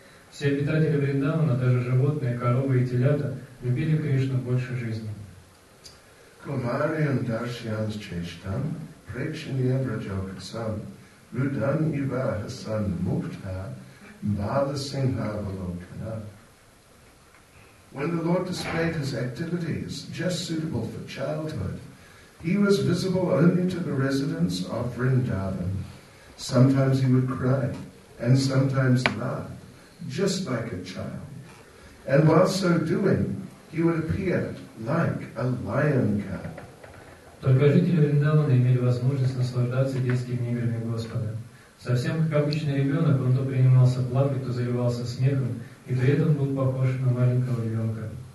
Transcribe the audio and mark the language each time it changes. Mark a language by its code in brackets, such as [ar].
[ru] Все обитатели Вриндавана, даже животные, коровы и телята, любили Кришну больше жизни. [sa] Кумариан Даршьянс Чештан, Прекшиньян Враджаукасан, Рудан Ивахасан Мукта, Бхала Сингха Валокана. [en] When the Lord displayed his activities just suitable for childhood, he was visible only to the residents of Vrindavan. Sometimes he would cry, and sometimes laugh, just like a child. And while so doing, he would appear like a lion cub. [ru] Только жители Вриндавана имели возможность наслаждаться детскими играми Господа. Совсем как обычный ребенок, он то принимался плакать, то заливался смехом, и при этом был похож на маленького ребенка.